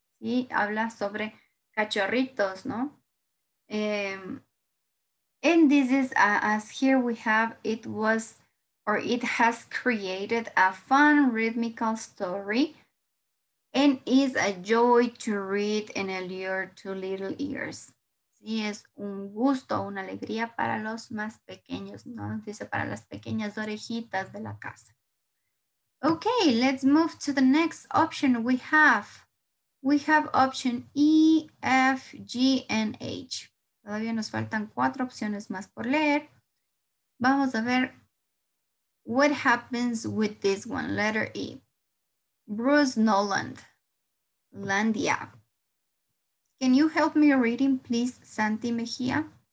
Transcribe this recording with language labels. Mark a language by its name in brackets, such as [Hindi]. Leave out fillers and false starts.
[Spanish] Y habla sobre cachorritos, ¿no? [English] And this is, as here we have, it was, or it has created a fun, rhythmical story and is a joy to read and allure to little ears. [Spanish] Sí, es un gusto, una alegría para los más pequeños, ¿no? Dice para las pequeñas orejitas de la casa. [English] Okay, let's move to the next option we have. We have option E, F, G, and H. [Spanish] Todavía nos faltan cuatro opciones más por leer. Vamos a ver [English] what happens with this one, letter E. Bruce Nolan, Landia. Can you help me reading, please, Santi Mejia?